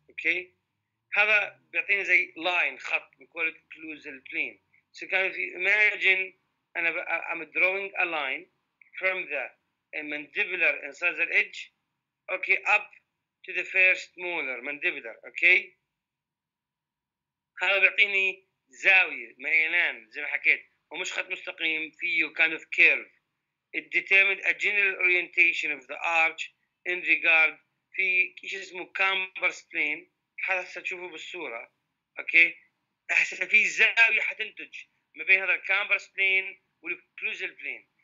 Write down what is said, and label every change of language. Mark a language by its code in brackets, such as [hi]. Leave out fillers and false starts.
[ar] Okay, هذا بيعطينا زي line خط بيقول كروزل بلين. [en] So can you imagine and I'm drawing a line from the mandibular incisor edge, okay, up to the first molar mandibular, okay? [ar] هذا بيعطيني زاوية ميلان زي ما حكيت ومش خط مستقيم فيه [en] kind of curve. It determined a general orientation of the arch in regard [ar] في إيش اسمه [en] camber plane. [ar] هذا ستشوفه بالصورة, okay؟ حسنا في زاوية حتنتج ما بين هذا الكامبر سبلين والكروزل بلين.